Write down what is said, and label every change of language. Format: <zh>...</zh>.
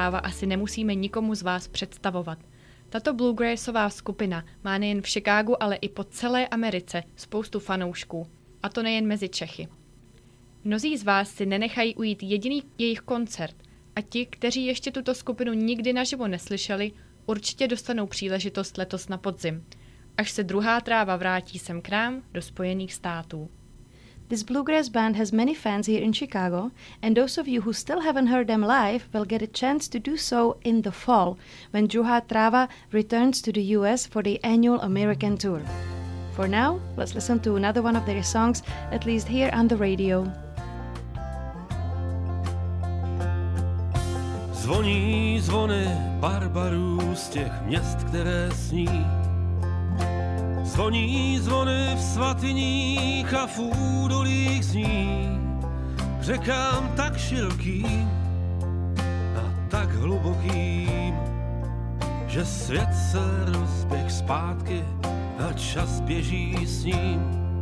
<cs>Si nemusíme nikomu z vás představovat. Tato bluegrassová skupina má nejen v Chicagu, ale i po celé Americe spoustu fanoušků, a to nejen mezi Čechy. Mnozí z vás si nenechají ujít jediný jejich koncert a ti, kteří ještě tuto skupinu nikdy naživo neslyšeli, určitě dostanou příležitost letos na podzim, až se druhá tráva vrátí sem k nám do Spojených států.</cs> <en>This bluegrass band has many fans here in Chicago, and those of you who still haven't heard them live will get a chance to do so in the fall, when Druhá tráva returns to the US for the annual American tour. For now, let's listen to another one of their songs, at least here on the radio.</en> <cs>Zvoní zvony barbarů z těch měst, které sní. Zvoní zvony v svatyních a v údolích zní, k řekám tak širokým a tak hlubokým, že svět se rozběh zpátky a čas běží s ním.</cs>